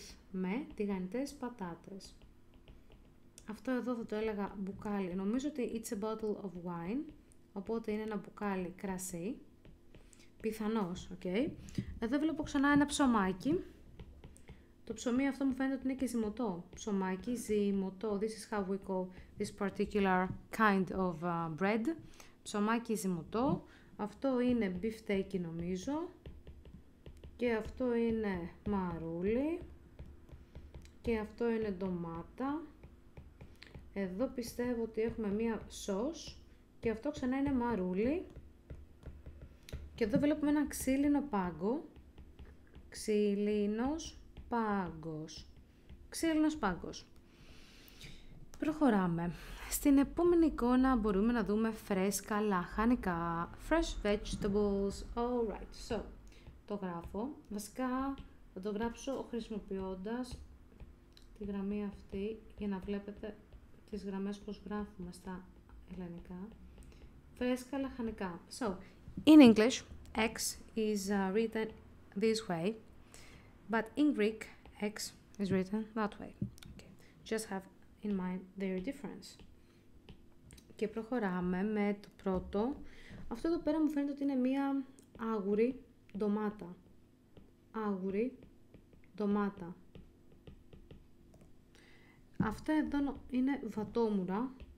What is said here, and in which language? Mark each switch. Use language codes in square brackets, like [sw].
[el] Με τηγανιτές πατάτες. Αυτό εδώ θα το έλεγα μπουκάλι. Νομίζω ότι [en] it's a bottle of wine. [el] Οπότε είναι ένα μπουκάλι κρασί. Πιθανώς, οκ. Okay. Εδώ βλέπω ξανά ένα ψωμάκι. Το ψωμί αυτό μου φαίνεται ότι είναι και ζυμωτό. Ψωμάκι, ζυμωτό. [en] This is how we call this particular kind of bread. [el] Ψωμάκι, ζυμωτό. Αυτό είναι μπιφτέκι νομίζω. Και αυτό είναι μαρούλι. Και αυτό είναι ντομάτα. Εδώ πιστεύω ότι έχουμε μία σος. Και αυτό ξανά είναι μαρούλι. Και εδώ βλέπουμε ένα ξύλινο πάγκο. Ξύλινος πάγκος. ξύλινος πάγκος. Προχωράμε. Στην επόμενη εικόνα μπορούμε να δούμε φρέσκα λαχανικά. [en] Fresh vegetables. Alright, so. [el] Το γράφω. Βασικά θα το γράψω χρησιμοποιώντας τη γραμμή αυτή για να βλέπετε τις γραμμές πώς γράφουμε στα ελληνικά. Φρέσκα λαχανικά. [en] So, in English, X is written this way, but in Greek, X is written that way. Okay. Just have in mind their difference. [el] Και προχωράμε με το πρώτο. Αυτό εδώ πέρα μου φαίνεται ότι είναι μία άγουρη ντομάτα. Άγουρη ντομάτα. Αυτά εδώ είναι βατόμουρα.